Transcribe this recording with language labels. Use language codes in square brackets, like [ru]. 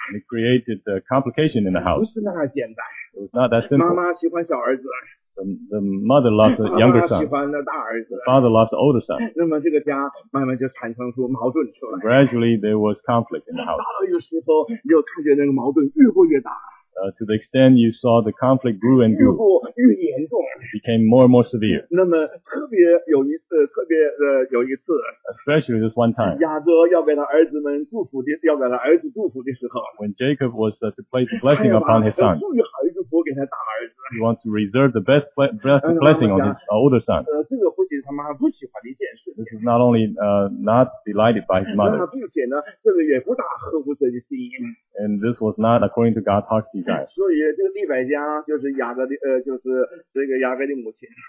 [en] and it created a complication in the house. [zh] 不是那么简单 [en] It was not that simple. [zh] 妈妈喜欢小儿子 [en] The mother loved the younger son. [zh] 妈妈喜欢那大儿子 [en] The father loved the older son. [zh] 那么这个家慢慢就产生出矛盾出来 [en] Gradually there was conflict in the house. [zh] 到一个时候就看见那个矛盾越过越大 [en] To the extent you saw the conflict grew and grew, [zh] 越严重 [en] became more and more severe. [zh] 那么特别有一次，特别有一次 [en] especially this one time. [zh] 雅各要给他儿子们祝福的，要给他儿子祝福的时候 [en] when Jacob was to place blessing upon his son, [zh] 他要把最好祝福给他大儿子 [en] he wants to reserve the best blessing on his older son. [zh] 这个不仅他妈不喜欢的一件事 [en] this is not only not delighted by his mother. [zh] 并且呢，这个也不大合乎神的心意 [en] and this was not according to God's heart. [zh] 所以这个利百加就是雅各的就是这个雅各的母亲。